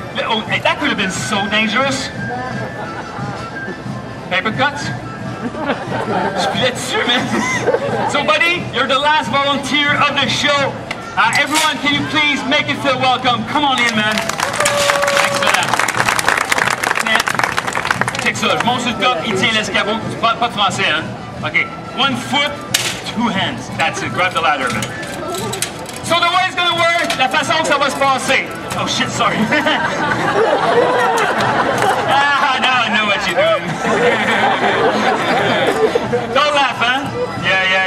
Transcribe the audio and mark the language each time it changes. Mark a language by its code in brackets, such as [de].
[en] Oh, hey, that could have been so dangerous. Paper cuts? [fr] Je suis là-dessus, man. [en] So, buddy, you're the last volunteer of the show. Everyone, can you please make it feel welcome? Come on in, man. [fr] Check ça, je monte sur le top, il tient l'escabeau, tu parles pas de français, hein? [en] Ok, 1 foot, 2 hands, that's it, grab the ladder, man. So the way it's gonna work, [fr] la façon que ça va se passer. [en] Oh shit, sorry. Ah, now I know what you're doing. Don't laugh, hein? Yeah.